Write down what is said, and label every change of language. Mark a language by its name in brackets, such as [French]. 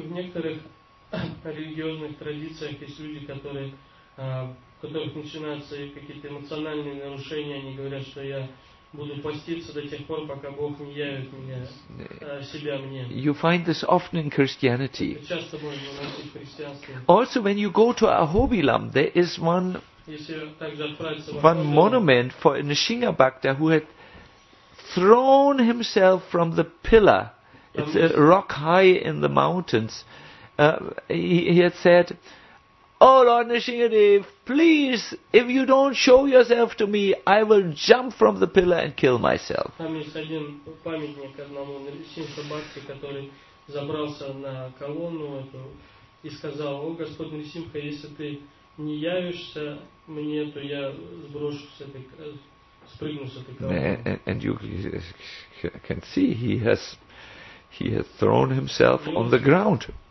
[Russian] В некоторых религиозных традициях есть люди, которые, которых начинаются какие-то эмоциональные нарушения. Они говорят, что я буду поститься до тех пор, пока Бог не явит меня себя мне. [English] You find this often in Christianity. [Russian] Часто можно найти в христианстве. [English] Also, when you go to Ahobilam, there is one, [Russian] если также отправиться в [English] Ahobilam, one monument for a Nishinga Bhakta who had thrown himself from the pillar. It's a rock high in the mountains. He had said, "Oh Lord Nrisimhadev, please, if you don't show yourself to me, I will jump from the pillar and kill myself." [Russian] Там есть один памятник одному Нрисимха-бхакте, который забрался на колонну эту и сказал: "О Господь Нрисимха, если ты не явишься мне, то я сброшу с этой спрыгну с этой камеры. [English] And you can see he has thrown himself on the ground.